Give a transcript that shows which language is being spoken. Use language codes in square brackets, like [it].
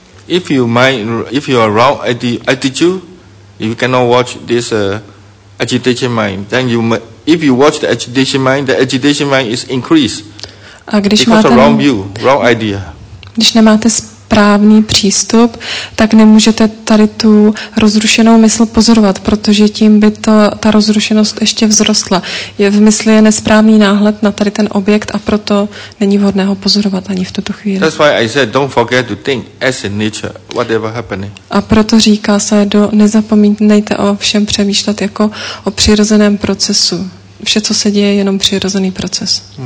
[en] If you mind, if you are wrong attitude, you cannot watch this agitation mind, then you if you watch the agitation mind is increased. [cs] A když [en] because [cs] máte [en] of wrong view, wrong idea. [cs] Když nemáte správný přístup, tak nemůžete tady tu rozrušenou mysl pozorovat, protože tím by ta rozrušenost ještě vzrostla. Je v mysli je nesprávný náhled na tady ten objekt a proto není vhodné ho pozorovat ani v tuto chvíli. [en] That's why I said don't forget to think as in nature, whatever happening. [cs] A proto říká se, nezapomínejte o všem přemýšlet jako o přirozeném procesu. Vše, co se děje, je jenom přirozený proces.